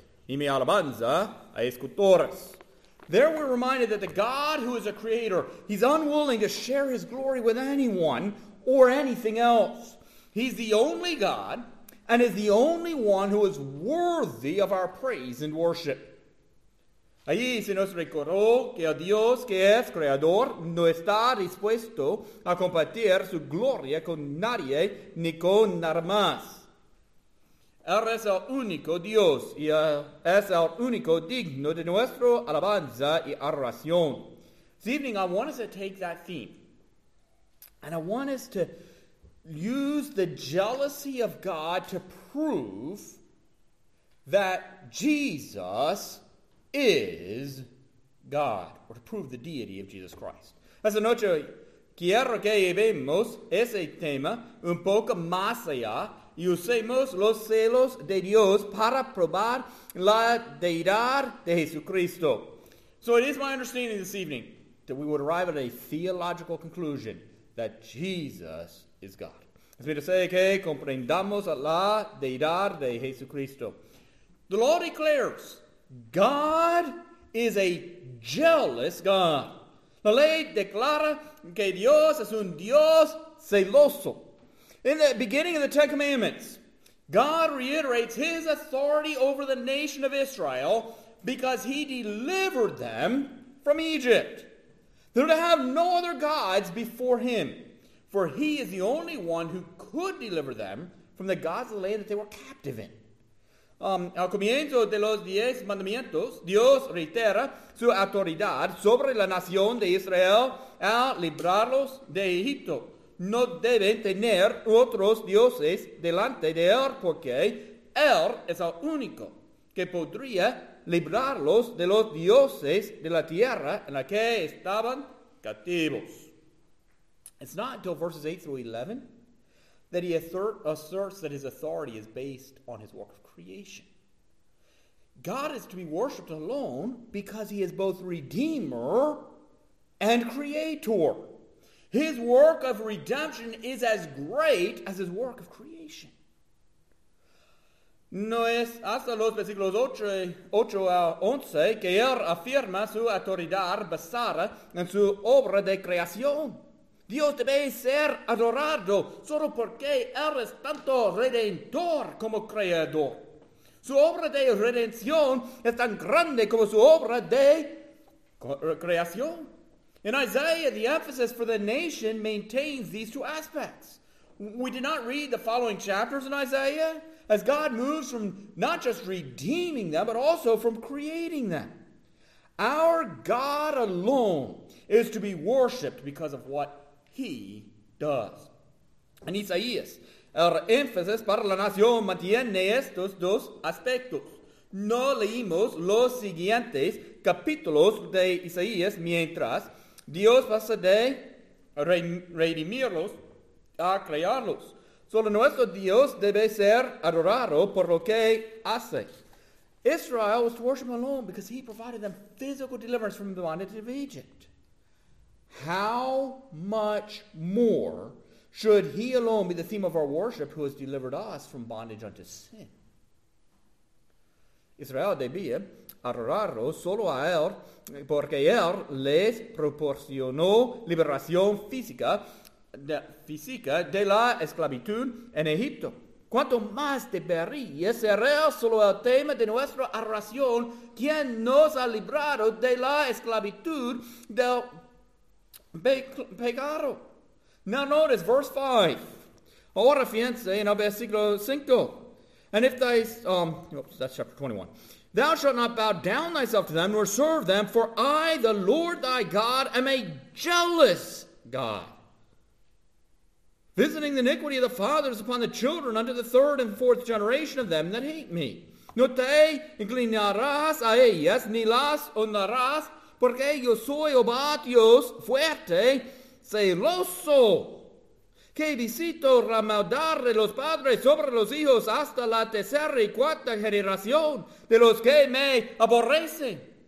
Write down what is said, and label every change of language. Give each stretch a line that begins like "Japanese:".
Spanish: Y mi alabanza a escultores.
English: There we're reminded that the God who is a creator, he's unwilling to share his glory with anyone or anything else. He's the only God and is the only one who is worthy of our praise and worship.
Spanish: Allí se nos recordó que a Dios que es creador no está dispuesto a compartir su gloria con nadie ni con nada más. Él es el único Dios y es el único digno de nuestro alabanza y adoración.
English: This evening, I want us to take that theme. And I want us to use the jealousy of God to prove that Jesus is God. Or to prove the deity of Jesus Christ.
Spanish: Esta noche, quiero que llevemos ese tema un poco más allá. Y usemos los celos de Dios para probar la deidad de Jesucristo.
English: So it is my understanding this evening that we would arrive at a theological conclusion that Jesus is God.
Spanish: Es decir, que comprendamos la deidad de Jesucristo.
English: The law declares, God is a jealous God.
Spanish: La ley declara que Dios es un Dios celoso.
English: In the beginning of the Ten Commandments, God reiterates his authority over the nation of Israel because he delivered them from Egypt. They're to have no other gods before him, for he is the only one who could deliver them from the gods of the land that they were captive in.
Spanish: Al comienzo de los 10 mandamientos, Dios reitera su autoridad sobre la nación de Israel al librarlos de Egipto. No deben tener otros dioses delante de él, porque él es el único que podría librarlos de los dioses de la tierra en la que estaban cautivos.
English: It's not until verses 8 through 11 that he asserts that his authority is based on his work of creation. God is to be worshipped alone because he is both redeemer and creator. His work of redemption is as great as his work of creation.
Spanish: No es hasta los versículos 8 a 11 que él afirma su autoridad basada en su obra de creación. Dios debe ser adorado solo porque él es tanto redentor como creador. Su obra de redención es tan grande como su obra de creación.
English: In Isaiah, the emphasis for the nation maintains these two aspects. We did not read the following chapters in Isaiah, as God moves from not just redeeming them, but also from creating them. Our God alone is to be worshipped because of what he does.
Spanish: En Isaías, el énfasis para la nación mantiene estos dos aspectos. No leímos los siguientes capítulos de Isaías mientras Dios pasa de redimirlos a crearlos. Solo nuestro Dios debe ser adorado por lo que hace.
English: Israel was to worship alone because he provided them physical deliverance from the bondage of Egypt. How much more should he alone be the theme of our worship who has delivered us from bondage unto sin?
Spanish: Israel debía adorarlo solo a él porque él les proporcionó liberación física de la esclavitud en Egipto. ¿Cuánto más debería ser él solo el tema de nuestra adoración, quien nos ha librado de la esclavitud del pecado?
English: Now notice verse 5.
Spanish: Ahora fíjense en el versículo 5.
English: And if thy, that's chapter 21. Thou shalt not bow down thyself to them, nor serve them, for I, the Lord thy God, am a jealous God, visiting the iniquity of the fathers upon the children unto the third and fourth generation of them that hate me.
Spanish: No te inclinarás a ellas, ni las honrarás, porque yo soy Jehová Dios fuerte, celoso, que visito la maldad de los padres sobre los hijos hasta la tercera y cuarta generación de los que me aborrecen.